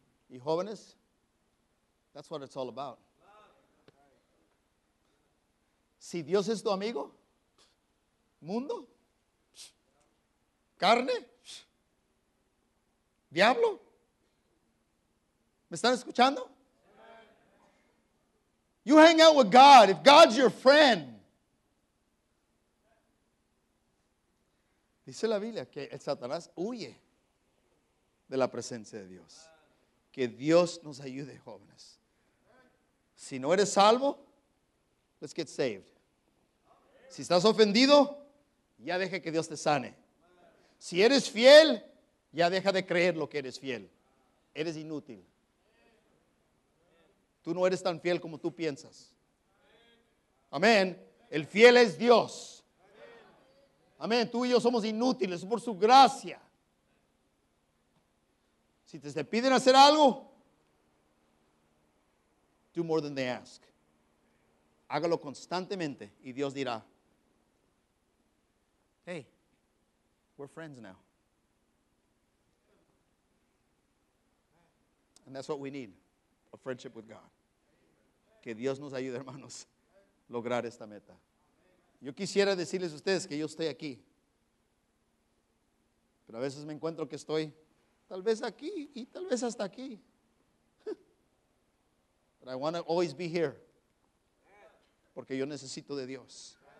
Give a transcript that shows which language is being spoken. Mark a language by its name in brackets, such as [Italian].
[Spanish] Y jóvenes, [English] that's what it's all about. [Spanish] Si Dios es tu amigo, mundo, carne, diablo, ¿me están escuchando? [English] You hang out with God, if God's your friend. [Spanish] Dice la Biblia que el Satanás huye de la presencia de Dios. Que Dios nos ayude, jóvenes. Si no eres salvo, [English] let's get saved. [Spanish] Si estás ofendido, ya deja que Dios te sane. Si eres fiel, ya deja de creer lo que eres fiel. Eres inútil. Tú no eres tan fiel como tú piensas. Amén. El fiel es Dios. Amén. Tú y yo somos inútiles por su gracia. Si te piden hacer algo, [English] do more than they ask. [Spanish] Hágalo constantemente y Dios dirá, [English] hey, we're friends now. And that's what we need, a friendship with God. [Spanish] Que Dios nos ayude, hermanos, lograr esta meta. Yo quisiera decirles a ustedes que yo estoy aquí. Pero a veces me encuentro que estoy tal vez aquí y tal vez hasta aquí. [English] But I want to always be here. [Spanish] Porque yo necesito de Dios.